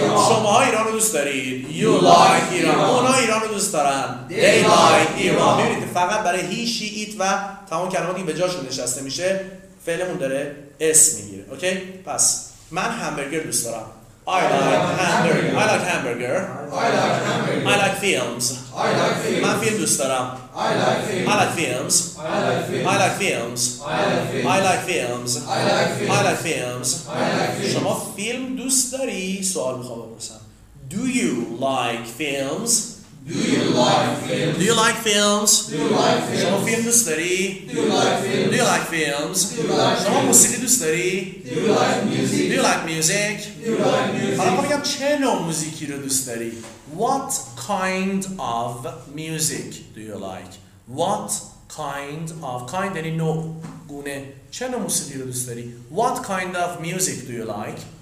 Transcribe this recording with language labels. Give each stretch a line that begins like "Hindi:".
Persian: شما ایران رو دوست دارید.
English: You like Iran.
Persian: اونا ایران رو دوست دارن.
English: They like Iran.
Persian: ببینید فقط برای
English: he, she, it
Persian: و تمام کلماتی به جاشون نشسته میشه فعلمون داره اس میگیره. اوکی؟ پس من همبرگر دوست دارم.
English: I like hamburger. I like hamburger. I like hamburger. I like films. I like films.
Persian: من فیلم دوست دارم.
English: I like films. I like films. I like films. I like films. I like films. I like films. I like films. I like films.
Persian: شما فیلم دوست داری؟ سوال میخوام بپرسم.
English: Do you like films? Do you like films? Do you like films? Do you like films?
Persian: شما فیلم دوست داری؟
English: Do you like films? Do you like films? Do you like
Persian: films? شما موسیقی دوست داری؟
English: Do you like music? Do you like music? Do you like music?
Persian: حالا میگم چه نوع موسیقی رو دوست داری؟
English: What kind of music do you like? What kind of kind
Persian: یعنی نوع گونه چه نوع موسیقی رو دوست داری
English: what kind of music do you like